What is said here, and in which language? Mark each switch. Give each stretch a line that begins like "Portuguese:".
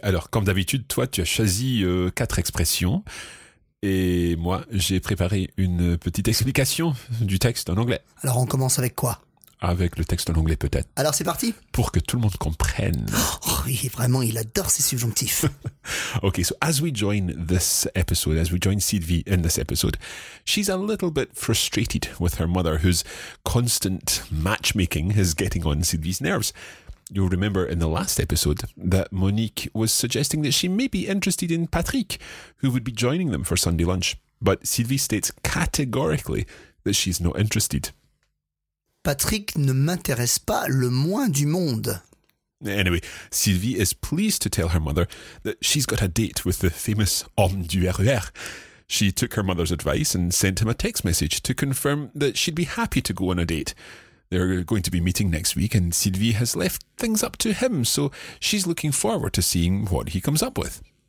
French: Alors, comme d'habitude, toi, tu as choisi 4 expressions. Et moi, j'ai préparé une petite explication du texte en anglais. Alors, on commence avec quoi ? Avec le texte en anglais peut-être. Alors c'est parti. Pour que tout le monde comprenne. Oh oui, vraiment, il adore ses subjonctifs.
English: Ok, so as we join this episode, as we join Sylvie in this episode, she's a little bit frustrated with her mother, whose constant matchmaking is getting on Sylvie's nerves. You'll remember in the last episode that Monique was suggesting that she may be interested in Patrick, who would be joining them for Sunday lunch. But Sylvie states categorically that she's not interested.
French: Patrick ne m'intéresse pas le moins du monde.
English: Anyway, Sylvie is pleased to tell her mother that she's got a date with the famous
French: homme du RER.
English: She took her mother's advice and sent him a text message to confirm that she'd be happy to go on a date. They're going to be meeting next week and Sylvie has left things up to him, so she's looking forward to seeing what he comes up with.